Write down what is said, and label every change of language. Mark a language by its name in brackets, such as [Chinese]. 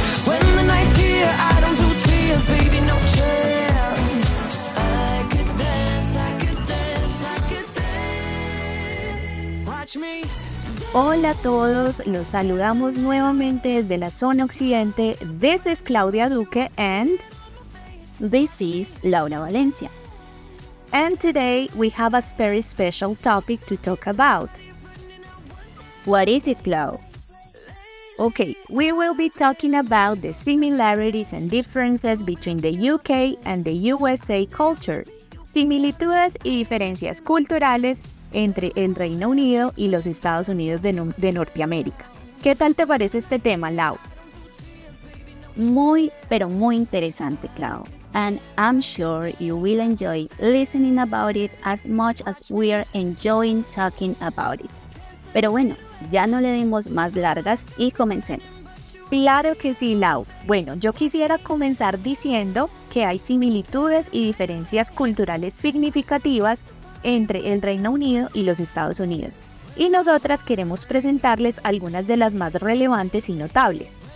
[English] When the night's here, I don't do tears, baby. No chance. I could dance, I could dance, I could dance. Watch me. [Spanish] Hola a todos, los saludamos nuevamente desde la zona occidente. [English] This is Claudia Duque and this is Laura Valencia. And today we have a very special topic to talk about. What is it, Clau? Okay, we will be talking about the similarities and differences between the UK and the USA culture. [Spanish] Similitudes y diferencias culturales entre el Reino Unido y los Estados Unidos de Norteamérica. ¿Qué tal te parece este tema, Lau? Muy, pero muy interesante, Clau. [English] And I'm sure you will enjoy listening about it as much as we're enjoying talking about it. [Spanish] Pero bueno, ya no le dimos más largas y comencemos. Claro que sí, Lau. Bueno, yo quisiera comenzar diciendo que hay similitudes y diferencias culturales significativas entre el Reino Unido y los Estados Unidos. Y nosotras queremos presentarles algunas de las más relevantes y notables.